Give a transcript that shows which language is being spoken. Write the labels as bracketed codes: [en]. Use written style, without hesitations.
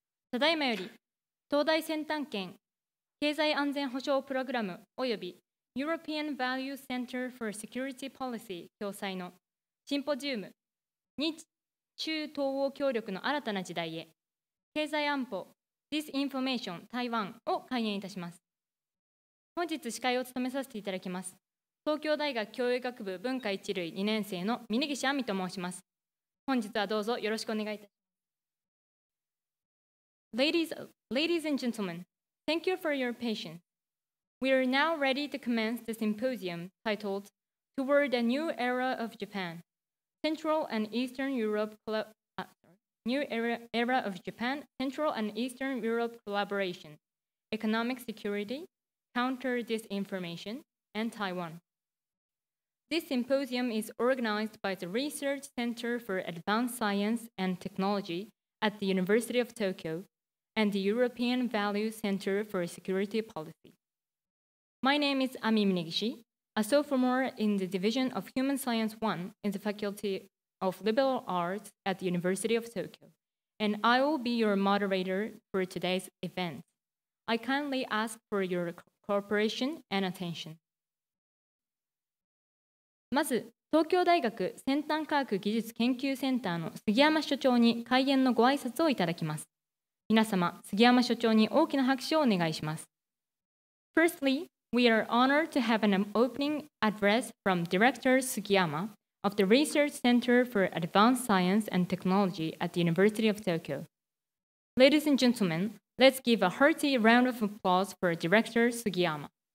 [ja] ただいまより、東大先端圏経済安全保障プログラムおよび European Value Center for Security Policy 共催のシンポジウム、日中東欧協力の新たな時代へ、経済安保 Disinformation 台湾を開演いたします。本日司会を務めさせていただきます。東京大学教育学部文化一類2年生の峯岸亜美と申します。本日はどうぞよろしくお願いいたします。 [en] Ladies and gentlemen, thank you for your patience. We are now ready to commence the symposium titled Toward a New Era of Japan, Central and Eastern Europe, Collaboration, Economic Security, Counter-Disinformation, and Taiwan. This symposium is organized by the Research Center for Advanced Science and Technology at the University of Tokyo and the European Value Center for Security Policy. My name is Ami Minegishi, a sophomore in the Division of Human Science 1 in the Faculty of Liberal Arts at the University of Tokyo, and I will be your moderator for today's event. I kindly ask for your cooperation and attention. [ja] まず、東京大学先端科学技術研究センターの杉山所長に開演のご挨拶をいただきます。皆様、杉山所長に大きな拍手をお願いします。 [en] Firstly, we are honored to have an opening address from Director Sugiyama of the Research Center for Advanced Science and Technology at the University of Tokyo. Ladies and gentlemen, let's give a hearty round of applause for Director Sugiyama.